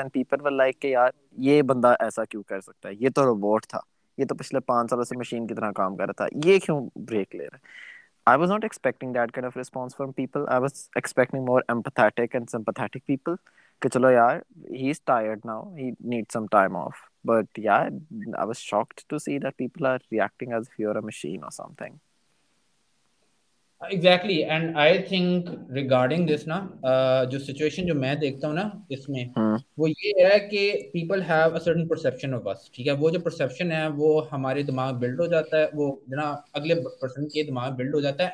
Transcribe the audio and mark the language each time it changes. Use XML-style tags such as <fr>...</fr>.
<en>and people were like</en> <hi>के यार ये बंदा ऐसा क्यों कर सकता है, ये तो रोबोट था, ये तो पिछले 5 सालों से मशीन की तरह काम कर रहा था, ये क्यों ब्रेक ले रहा है.</hi> <en>I was not expecting that kind of response from people. I was expecting more empathetic and sympathetic people</en> <hi>कि चलो यार</hi> <en>He is tired now, he need some time off. But yeah, I was shocked to see that people are reacting as if you're a machine or something. Exactly. And I think regarding this ना,</en> <hi>जो situation जो मैं देखता हूँ ना इसमें, वो ये है कि</hi> <en>People have a certain perception of us.</en> <hi>ठीक है, वो जो परसेप्शन है वो हमारे दिमाग बिल्ड हो जाता है, वो ना अगले पर्सन के दिमाग बिल्ड हो जाता है.</hi>